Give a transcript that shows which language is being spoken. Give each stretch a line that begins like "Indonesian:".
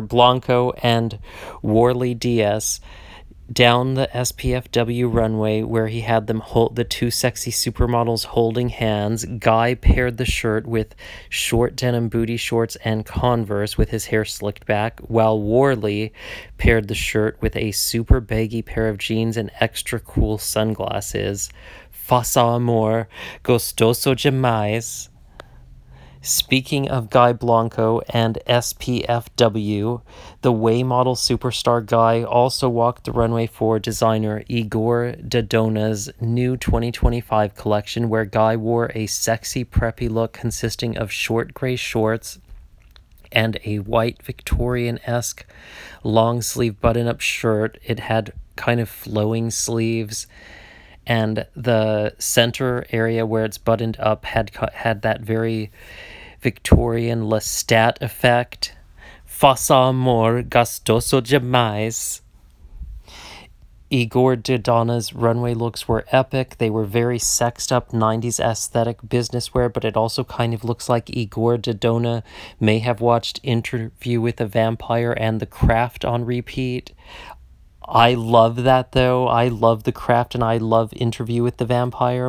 English: Blanco and Warley Diaz down the SPFW runway, where he had them hold the two sexy supermodels holding hands. Guy paired the shirt with short denim booty shorts and Converse with his hair slicked back, while Warley paired the shirt with a super baggy pair of jeans and extra cool sunglasses.
Portuguese: Faça amor, gostoso demais.
English: Speaking of Guy Blanco and SPFW, the way model superstar Guy also walked the runway for designer Igor Dodona's new 2025 collection, where Guy wore a sexy preppy look consisting of short gray shorts and a white Victorian-esque long sleeve button-up shirt. It had kind of flowing sleeves, and the center area where it's buttoned up had that very Victorian Lestat effect.
Portuguese: Faça amor, gostoso demais.
English: Igor Dodona's runway looks were epic. They were very sexed up 90s aesthetic business wear, but it also kind of looks like Igor Dodona may have watched Interview with a Vampire and The Craft on repeat. I love that, though. I love The Craft and I love Interview with the Vampire.